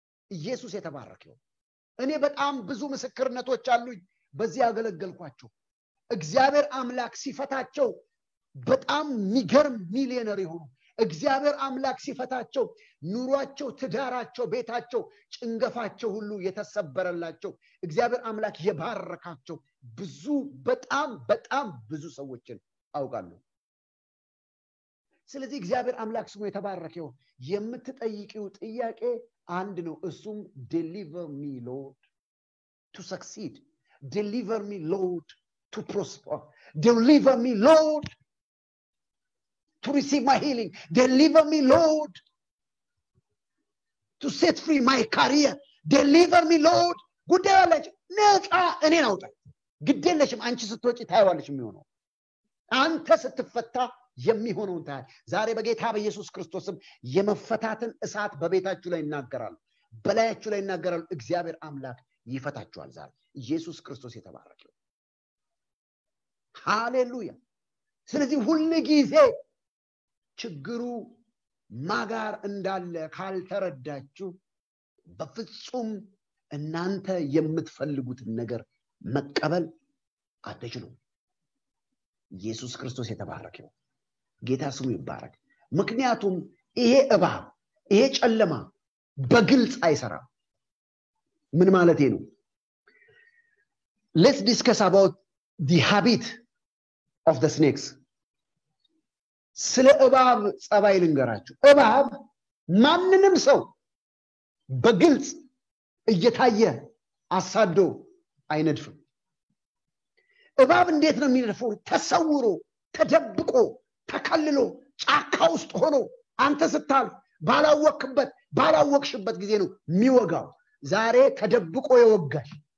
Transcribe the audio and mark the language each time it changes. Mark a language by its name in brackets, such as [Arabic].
[Amharic] ኢየሱስ የተባረከው። እኔ በጣም ብዙ ምስክርነቶች አሉኝ በዚህ አገለግልኳቸው። እግዚአብሔር አምላክ ሲፈታቸው በጣም ሚገርም ሚሊየነር ይሆኑ። እግዚአብሔር አምላክ ሲፈታቸው ኑሯቸው፣ ትዳራቸው፣ ቤታቸው፣ ጭንገፋቸው ሁሉ የተሰበረላቸው። እግዚአብሔር አምላክ የባረካቸው ብዙ በጣም በጣም ብዙ ሰዎችን አውቃለሁ። ስለዚህ እግዚአብሔር አምላክ ስሙ የተባረከው። የምትጠይቂው ጥያቄ አንድ ነው። እሱም [English] deliver me Lord to succeed. Deliver me Lord to prosper. Deliver me Lord to receive my healing. Deliver me Lord to set free my career. Deliver me Lord. [Amharic] ጉዳይ አለች ነጻ እኔ ነው ታይ ግዴለሽም አንቺ ስትወጪ ታይዋለሽ የሚሆነው አንተ ስትፈታ የሚሆነው ታይ። ዛሬ በጌታ በኢየሱስ ክርስቶስም የመፈታትን እሳት በቤታችሁ ላይ እናገራለሁ፣ በላያችሁ ላይ እናገራለሁ። እግዚአብሔር አምላክ ይፈታችኋል። ዛሬ ኢየሱስ ክርስቶስ የተባረከው። ሃሌሉያ። ስለዚህ ሁሉ ጊዜ ችግሩ ማጋር እንዳለ ካልተረዳችሁ በፍጹም እናንተ የምትፈልጉት ነገር መቀበል አትችሉም። ኢየሱስ ክርስቶስ የተባረከው። ጌታ ስሙ ይባረክ። ምክንያቱም ይሄ እባብ ይሄ ጨለማ በግልጽ አይሰራ። ምን ማለት ነው? [English] Let's discuss about the habit of the snakes. [Amharic] ስለ እባብ ጸባይ ልንገራችሁ። እባብ ማንንም ሰው በግልጽ እየታየ አሳዶ አይነድፍም። እባብ እንዴት ነው የሚነድፈው? ተሰውሮ፣ ተደብቆ፣ ተከልሎ፣ ጫካ ውስጥ ሆኖ አንተ ስታልፍ ባላወቅበት ባላወቅሽበት ጊዜ ነው የሚወጋው። ዛሬ ተደብቆ የወጋሽ